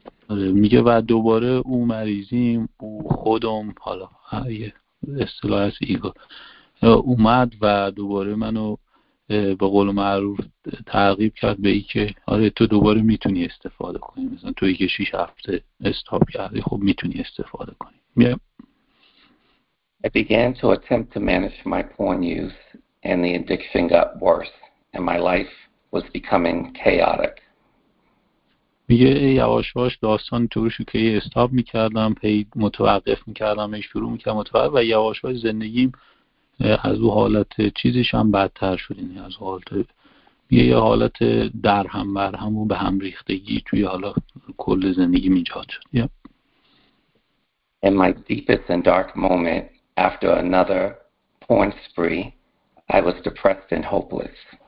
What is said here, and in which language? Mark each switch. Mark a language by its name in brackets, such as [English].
[Persian] میگه بعد دوباره او مریضیم او خودم حالا اصطلاح از ایگو اومد و دوباره منو به قول معروف ترغیب کرد به ای که آره تو دوباره میتونی استفاده کنی، مثلا تو ای که 6 هفته استاپ کردی خب میتونی استفاده کنی. [English] I began to attempt to manage my porn use and the addiction got worse and my life was becoming chaotic. [Persian] میگه یواش یواش داستان طوری شد که استاپ میکردم، پی متوقف میکردم، شروع میکردم متوقف، و یواش یواش زندگیم از او حالت چیزش هم بدتر شد. این از حالت میگه یه حالت در هم بر هم و به هم ریختگی توی حالا کل زندگی ایجاد شد. [English] In my deepest and dark moment after another porn spree I was depressed and hopeless.